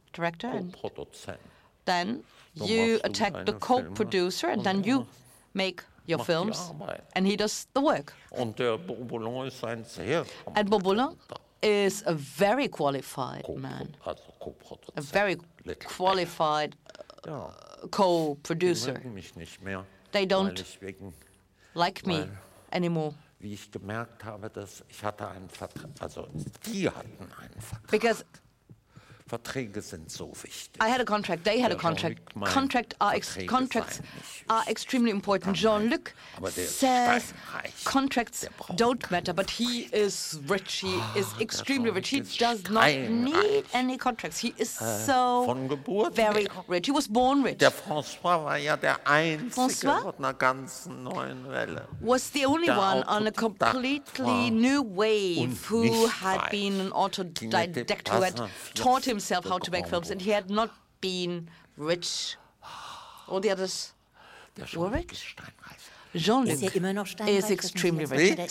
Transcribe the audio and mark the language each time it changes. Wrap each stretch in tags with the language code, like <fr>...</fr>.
<en>Director and then you attack the co-producer and then you make your films and he does the work.</en> <de>Und der Bourboulon ist ein sehr</de> <en>and Bourboulon is a very qualified man, a very qualified co-producer. They don't like me anymore.</en> <de>Wie ich gemerkt habe, dass ich hatte einen Vertrag, also die hatten einen Vertrag.</de> <en>Because</en> <de>Verträge sind so wichtig.</de> <en>I had a contract, they had a contract. Contracts are extremely important. Jean-Luc says contracts don't matter, but he is rich, he is extremely rich. He does not need any contracts. He is so very rich. He was born rich.</en> <de>Der François war ja der einzige mit einer ganzen neuen Welle.</de> <en>Was the only one on a completely new wave who had been an autodidact, who had taught himself how to make films, and he had not been rich. All the others were rich. Jean-Luc is extremely rich.</en>